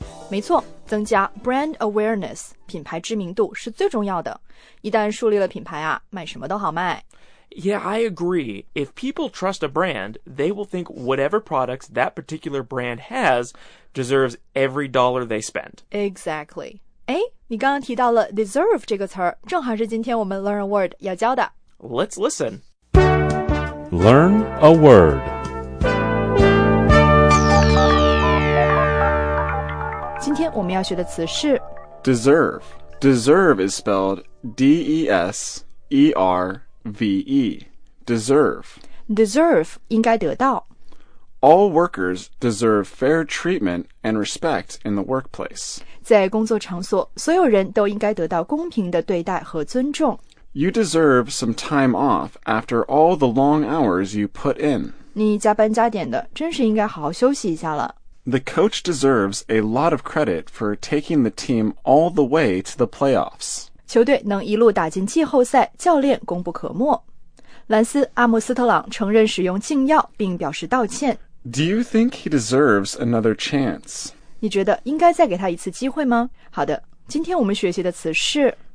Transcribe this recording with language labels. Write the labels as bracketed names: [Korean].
[Chinese] 没错，增加 [English] brand awareness， [Chinese] 品牌知名度是最重要的。一旦树立了品牌啊，卖什么都好卖。 [English] Yeah, I agree. If people trust a brand, they will think whatever products that particular brand has deserves every dollar they spend. Exactly. [Chinese] 哎，你刚刚提到了 deserve 这个词儿，正好是今天我们 [English] learn a word [Chinese] 要教的。 [English] Let's listen. Learn a word. [Chinese] 今天我们要学的词是 [English] deserve. Deserve is spelled D-E-S-E-R-V-E. Deserve. [Chinese] Deserve 应该得到。 [English] All workers deserve fair treatment and respect in the workplace. [Chinese] 在工作场所，所有人都应该得到公平的对待和尊重。 [English] You deserve some time off after all the long hours you put in. [Chinese] 你加班加点的，真是应该好好休息一下了。 [English] The coach deserves a lot of credit for taking the team all the way to the playoffs. [Chinese] 球队能一路打进季后赛，教练功不可没。兰斯·阿姆斯特朗承认使用禁药，并表示道歉。 [English] Do you think he deserves another chance? [Chinese] 你觉得应该再给他一次机会吗？好的，今天我们学习的词是